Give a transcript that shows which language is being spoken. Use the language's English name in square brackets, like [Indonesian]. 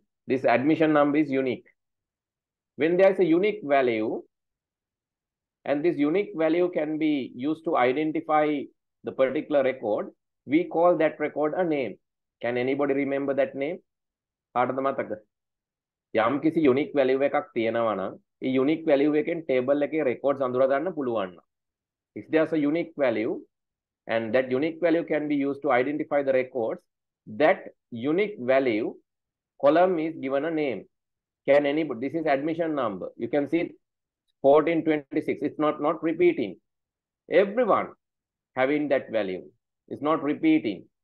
[English] this admission number is unique. When there is a unique value, and this unique value can be used to identify the particular record, we call that record a name. Can anybody remember that name? [Sinhala] කාටද මතක? යම් කිසි unique value එකක් තියෙනවා නම්, ඒ unique value එකෙන් table එකේ records අඳුරා ගන්න පුළුවන්. [English] If there's a unique value, and that unique value can be used to identify the records, that unique value column is given a name. Can anybody, this is admission number. You can see 1426. It's not repeating. Everyone having that value. It's not repeating.